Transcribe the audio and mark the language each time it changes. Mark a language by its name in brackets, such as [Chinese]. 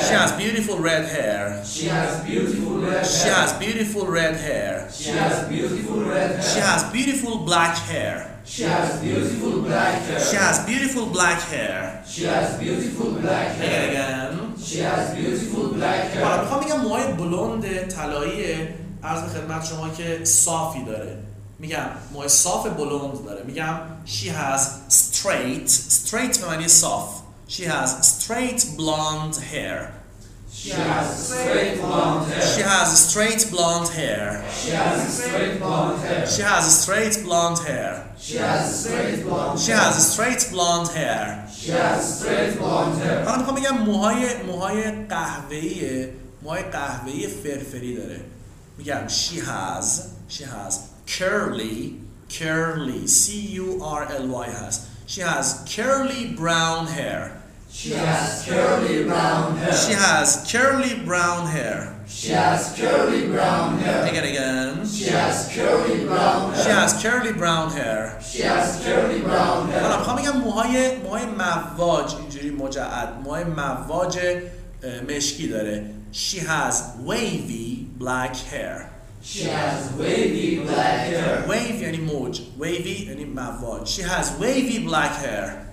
[English] She has beautiful red hair. She has beautiful red hair. She has beautiful red hair. She has beautiful red hair. She has beautiful black hair. She has beautiful black hair. She has beautiful black hair. She has beautiful black hair. Again. She has beautiful black hair. [Persian] حالا میخوام بگم موهای بلوند طلاییه عرض خدمت شما که صافی داره. میگم موهای صاف بلوند داره. میگم [English] she has straight. [Persian] Straight به معنی صاف. [English] She has straight blonde hair. She has straight blonde hair. She has straight blonde hair. She has straight blonde hair. She has straight blonde hair. She has straight blonde hair. She has straight blonde hair. She has straight blonde hair. [Persian] حالا میخوام بگم موهای قهوه‌ایه. موهای قهوه‌ای فرفری داره. میگم [English] she has curly C U R L Y has. She has curly brown hair. She has curly brown hair. She has curly brown hair. She has curly brown hair. Again. She has curly brown hair. She has curly brown hair. She has curly brown hair. [Persian] حالا میخوام بگم موهای مواج اینجوری مجعد موهای مواج مشکی داره. [English] She has wavy black hair. She has wavy black hair. [Persian] Wavy یعنی موج. Wavy یعنی مواج. [English] She has wavy black hair.